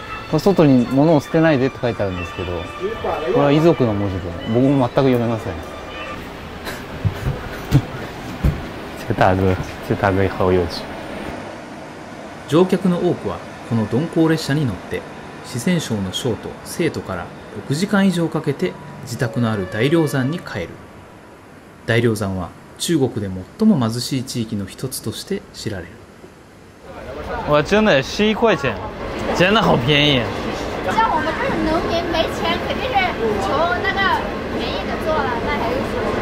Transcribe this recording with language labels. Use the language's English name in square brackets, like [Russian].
[Japanese] 外に物を捨てないでって書いてあるんですけど、これは遺族の文字で僕も全く読めません。 [Chinese] 这大哥，这大哥也好有趣。 [Japanese] 乗客の多くはこの鈍行列車に乗って四川省の省都成都から6時間以上かけて自宅のある大梁山に帰る。大梁山は中国で最も貧しい地域の一つとして知られる。 [Chinese] 我真的十一块钱。真的好便宜。像我们这种农民没钱，肯定是求那个便宜的做了，那还用说？